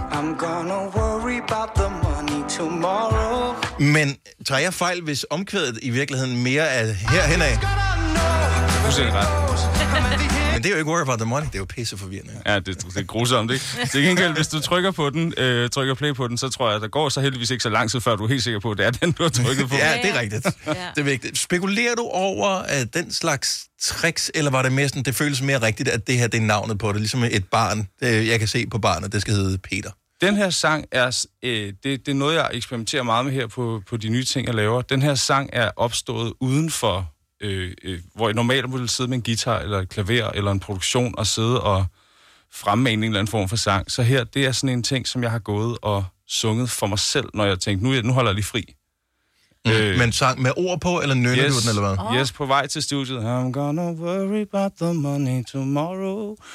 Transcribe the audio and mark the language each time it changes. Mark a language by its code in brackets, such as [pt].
[en] I'm gonna worry about the money tomorrow. [da] Men tager jeg fejl, hvis omkvædet i virkeligheden mere er herhenad? Du ser ret. Men det er jo ikke [en] worry about the money, [da] det er jo pisseforvirrende. Ja, det er grusomt, ikke? Til gengæld, hvis du trykker på den, trykker play på den, så tror jeg, at der går så heldigvis ikke så lang tid, før du er helt sikker på, at det er den, du har trykket på. Ja, det er rigtigt. Ja. Det er vigtigt. Spekulerer du over den slags tricks, eller var det mere sådan, det føles mere rigtigt, at det her, det er navnet på det, ligesom et barn, jeg kan se på barnet, det skal hedde Peter? Den her sang er, det er noget, jeg eksperimenterer meget med her på de nye ting, jeg laver. Den her sang er opstået uden for hvor jeg normalt ville sidde med en guitar eller et klaver eller en produktion og sidde og fremme en eller anden form for sang. Så her, det er sådan en ting, som jeg har gået og sunget for mig selv, når jeg tænkte, nu holder jeg lige fri. Men sang med ord på, eller nynner du den, eller hvad? Yes, på vej til studiet. [en] I'm gonna worry about the money tomorrow.